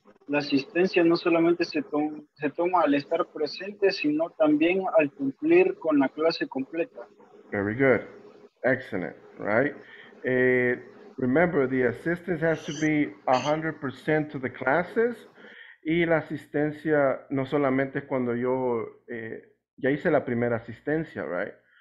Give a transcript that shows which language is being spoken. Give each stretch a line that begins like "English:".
Spanish: La asistencia no solamente se toma al estar presente, sino también al cumplir con la clase completa.
English: Very good. Excellent, right? Remember, the assistance has to be 100% to the classes.
Spanish: Y la asistencia no solamente es cuando yo ya hice la primera asistencia, right?